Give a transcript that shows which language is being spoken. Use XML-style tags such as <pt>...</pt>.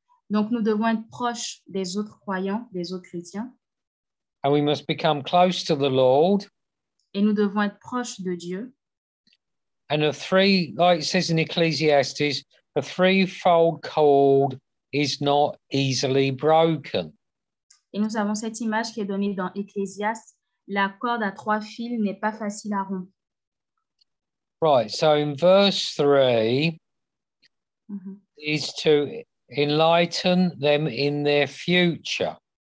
<fr>Donc nous devons être proches des autres croyants, des autres chrétiens.</fr> <en>And we must become close to the Lord.</en> <fr>Et nous devons être proches de Dieu.</fr> <en>And a three, like it says in Ecclesiastes, a threefold cord is not easily broken.</en> <fr>Et nous avons cette image qui est donnée dans Ecclésiaste. La corde à trois fils n'est pas facile à rompre.</fr> <en>Right, so in verse 3, is to enlighten them in their future.</en>